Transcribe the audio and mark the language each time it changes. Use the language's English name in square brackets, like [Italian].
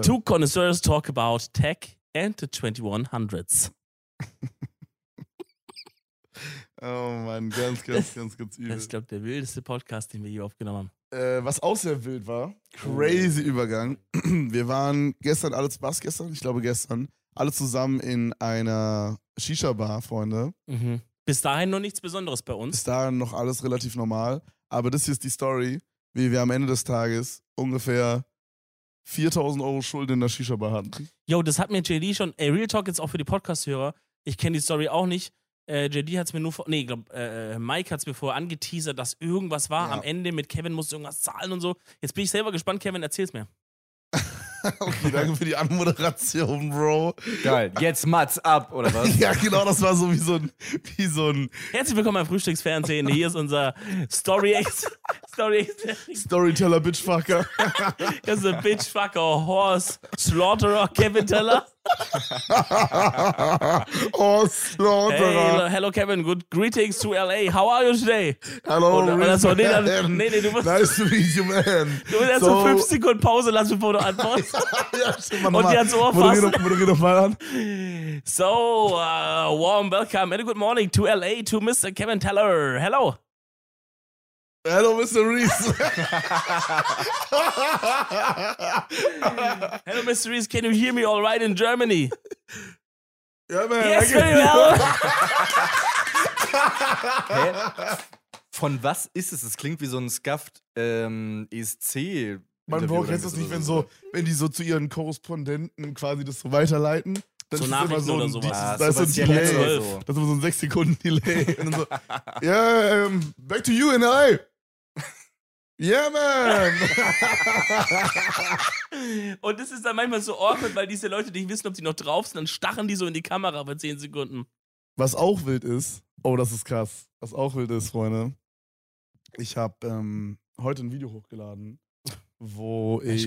[English] Two connoisseurs talk about tech and the 2100s. [German] Oh Mann, ganz übel. Das ist, glaube ich, der wildeste Podcast, den wir je aufgenommen haben. Was auch sehr wild war, crazy Übergang. Wir waren gestern alle, was gestern? Ich glaube gestern, alle zusammen in einer Shisha-Bar, Freunde. Mhm. Bis dahin noch nichts Besonderes bei uns. Bis dahin noch alles relativ normal. Aber das hier ist die Story, wie wir am Ende des Tages ungefähr 4.000 Euro Schulden in der Shisha-Bar hatten. Yo, das hat mir JD schon, ey, Real Talk jetzt auch für die Podcast-Hörer, ich kenne die Story auch nicht, JD hat es mir nur, Mike hat es mir vorher angeteasert, dass irgendwas war am Ende, mit Kevin musste irgendwas zahlen und so. Jetzt bin ich selber gespannt, Kevin, erzähl's mir. Okay, danke für die Anmoderation, Bro. Geil, jetzt Mats ab, oder was? Ja, genau, das war so wie so ein... Herzlich willkommen beim Frühstücksfernsehen, hier ist unser Storyteller-Bitchfucker. Das ist ein Bitchfucker-Horse-Slaughterer, Kevin Teller. Horse-Slaughterer. [English] Hey, hello Kevin, good greetings to LA, how are you today? Hello, [German] du musst, [English] nice to meet you, man. [German] Du musst erst so 5 Sekunden Pause lassen, bevor du antwortest. Ja, und die hat so aufpassen. Moderier doch mal an. [English] So, warm welcome and a good morning to LA, to Mr. Kevin Teller. Hello. Hello, Mr. Reese. Hello, Mr. Reese. Can you hear me all right in Germany? Yeah, man. Yes, very well. [German] Von was ist es? Es klingt wie so ein Scuffed ESC. Man braucht jetzt das nicht, wenn die so zu ihren Korrespondenten quasi das so weiterleiten. Dann so Nachrichten so oder sowas. Da ist so ein Delay. Das ist immer so ein 6-Sekunden-Delay. Ja, so, [English] yeah, back to you and I. Yeah, man! [German] Und das ist dann manchmal so awkward, weil diese Leute nicht wissen, ob sie noch drauf sind, dann starren die so in die Kamera für 10 Sekunden. Was auch wild ist, das ist krass, was auch wild ist, Freunde, ich hab heute ein Video hochgeladen, wo ich...